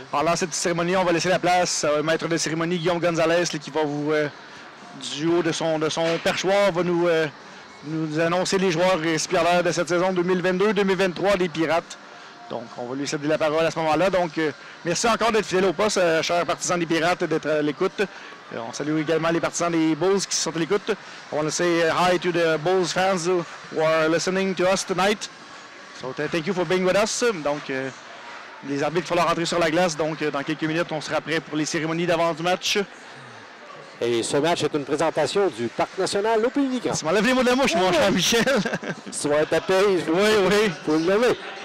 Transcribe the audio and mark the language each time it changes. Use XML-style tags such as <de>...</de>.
<fr>Alors, dans cette cérémonie, on va laisser la place au maître de cérémonie, Guillaume Gonzalez, qui va vous, du haut de son perchoir, va nous annoncer les joueurs récipiendaires de cette saison 2022-2023 des Pirates. Donc, on va lui céder la parole à ce moment-là. Donc, merci encore d'être fidèle au poste, chers partisans des Pirates, d'être à l'écoute. On salue également les partisans des Bulls qui sont à l'écoute.</fr> <en>I want to say hi to the Bulls fans who are listening to us tonight. So thank you for being with us.</en> <fr>Donc, les arbitres font leur entrée sur la glace. Donc, dans quelques minutes, on sera prêt pour les cérémonies d'avant du match. Et ce match est une présentation du Parc national Lopinigan. Tu m'enlèves les mots de la mouche, mon cher Michel. Tu vas être à pays. Oui, oui. Pour le lever.</fr>